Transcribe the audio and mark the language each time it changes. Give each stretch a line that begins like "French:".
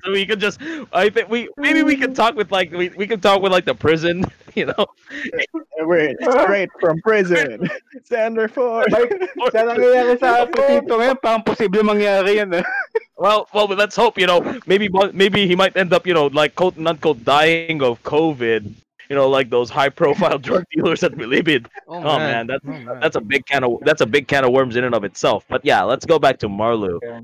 English: So we can just, I think we can talk with like the prison, you know. Wait, straight from prison. Xander Ford.
Filipino: Saan ang nangyayari sa Putito ngayon? Parang posible mangyayari yan.
English: Well, let's hope, you know, maybe he might end up, you know, like quote unquote dying of COVID. You know, like those high-profile drug dealers at Bilibid. That's a big can of worms in and of itself. But yeah, let's go back to Marlou. Okay.